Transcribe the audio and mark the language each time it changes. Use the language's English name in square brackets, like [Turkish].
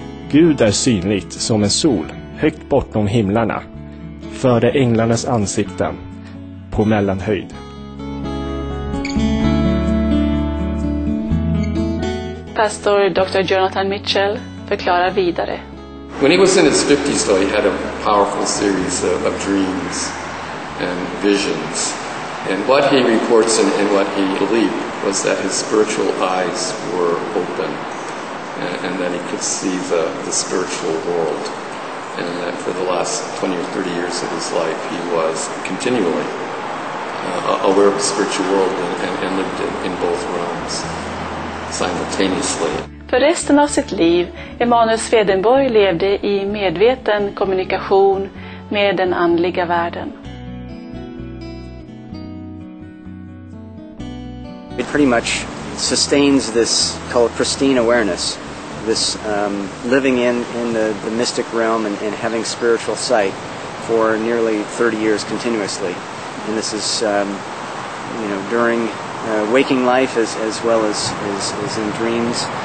[Swedish] Gud är synligt som en sol högt bortom himlarna, före änglarnas ansikten på mellanhöjd. Pastor Dr. Jonathan Mitchell förklarar vidare. [English] When he was in his 50s, though, he had a powerful series of dreams and visions. And what he reports and what he believed was that his spiritual eyes were open and that he could see the spiritual world. And that for the last 20 or 30 years of his life, he was continually aware of the spiritual world and lived in both realms simultaneously. [Swedish] För resten av sitt liv, Emanuel Swedenborg levde i medveten kommunikation med den andliga världen. [English] It pretty much sustains this called pristine awareness, this living in the mystic realm and having spiritual sight for nearly 30 years continuously. And this is during waking life as well as in dreams.